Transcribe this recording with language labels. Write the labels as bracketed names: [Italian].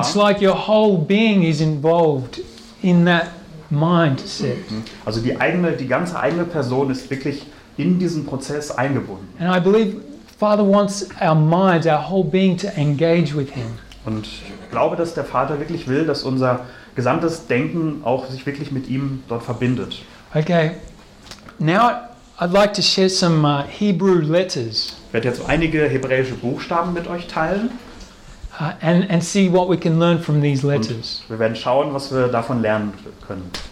[English] It's like your whole being is involved in that mindset. [German] Also die ganze eigene Person ist wirklich in diesen Prozess eingebunden. [English] And I believe Father wants our minds, our whole being to engage with Him. [German] Und ich glaube, dass der Vater wirklich will, dass unser gesamtes Denken auch sich wirklich mit ihm dort verbindet. [English] Okay. Now I'd like to share some Hebrew letters. [German] Ich werde jetzt einige hebräische Buchstaben mit euch teilen. [English] And see what we can learn from these letters. [German] Und wir werden schauen, was wir davon lernen können.